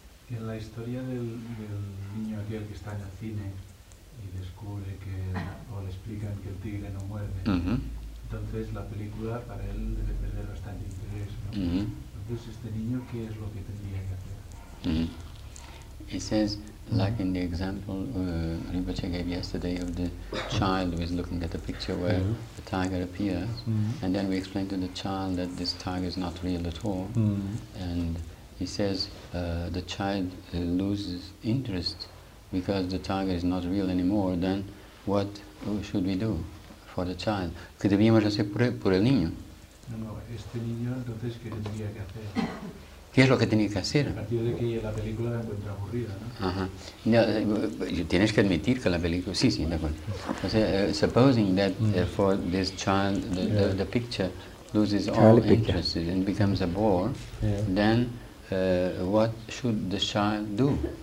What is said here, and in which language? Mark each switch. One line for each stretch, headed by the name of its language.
Spanish: En la historia del niño aquel que está en el cine y descubre que, o le explican que el tigre no muerde, entonces la película para él debe perder bastante interés, ¿no? Entonces, este niño, ¿qué es lo que tendría que hacer?
English: He says, like in the example Rinpoche gave yesterday of the child who is looking at the picture where the tiger appears, and then we explain to the child that this tiger is not real at all, and he says the child loses interest because the tiger is not real anymore, then what should we do for the child?
Spanish: ¿Qué debíamos hacer por el niño? No, este niño, entonces, ¿qué tendría que hacer? ¿Qué es lo que tiene que hacer? A partir de que la película la encuentra aburrida, ¿no? Tienes que admitir que la película... Sí, sí, de acuerdo. O sea,
English: supposing that for this child, the picture loses all interest and becomes a bore, then what should the child do?